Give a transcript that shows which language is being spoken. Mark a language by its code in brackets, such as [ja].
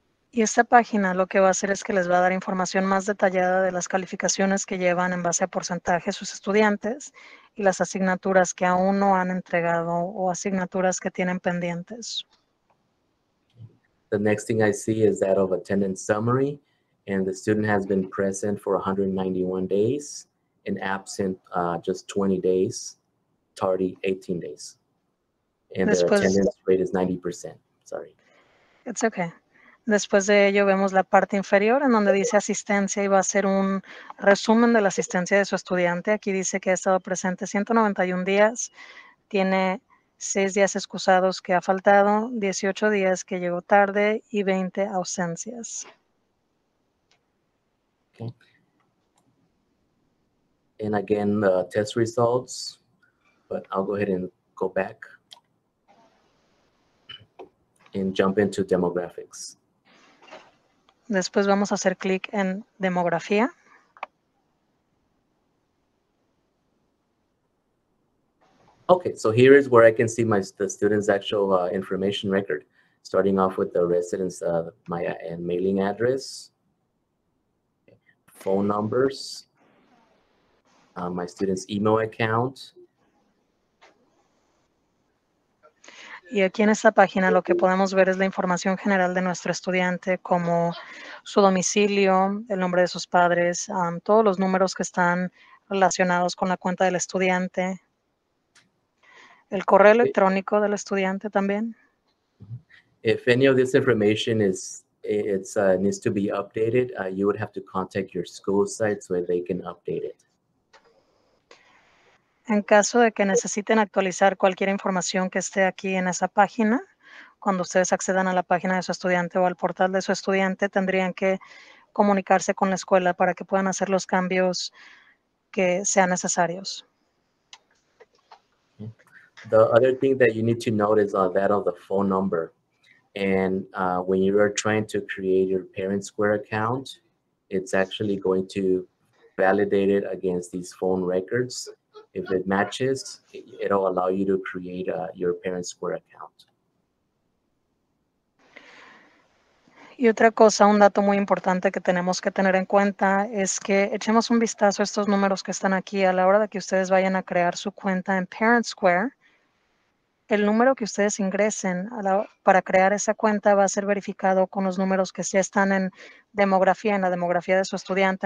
[es] Y esta página lo que va a hacer es que les va a dar información más detallada de las calificaciones que llevan en base a porcentaje sus estudiantes y las asignaturas que aún no han entregado o asignaturas que tienen pendientes. [en] The next thing I see is that of attendance summary, and the student has been present for 191 days and absent just 20 days, tardy 18 days. And their attendance rate is 90%. Sorry. It's okay. [es] Después de ello, vemos la parte inferior en donde dice asistencia y va a ser un resumen de la asistencia de su estudiante. Aquí dice que ha estado presente 191 días, tiene 6 días excusados que ha faltado, 18 días que llegó tarde y 20 ausencias. [en] Okay. And again, the test results, but I'll go ahead and go back and jump into demographics. [es] Después vamos a hacer clic en demografía. [en] Okay, so here is where I can see the student's actual information record, starting off with the residence, and mailing address, phone numbers, my student's email account. [es] Y aquí en esta página lo que podemos ver es la información general de nuestro estudiante, como su domicilio, el nombre de sus padres, todos los números que están relacionados con la cuenta del estudiante. El correo electrónico del estudiante también. [en] If any of this information is needs to be updated, you would have to contact your school site so they can update it. [es] En caso de que necesiten actualizar cualquier información que esté aquí en esa página, cuando ustedes accedan a la página de su estudiante o al portal de su estudiante, tendrían que comunicarse con la escuela para que puedan hacer los cambios que sean necesarios. [en] The other thing that you need to note is that of the phone number. And when you are trying to create your ParentSquare account, it's actually going to validate it against these phone records. If it matches, it'll allow you to create your ParentSquare account. [es] Y otra cosa, un dato muy importante que tenemos que tener en cuenta es que echemos un vistazo a estos números que están aquí a la hora de que ustedes vayan a crear su cuenta en ParentSquare. El número que ustedes ingresen para crear esa cuenta va a ser verificado con los números que ya están en demografía, en la demografía de su estudiante.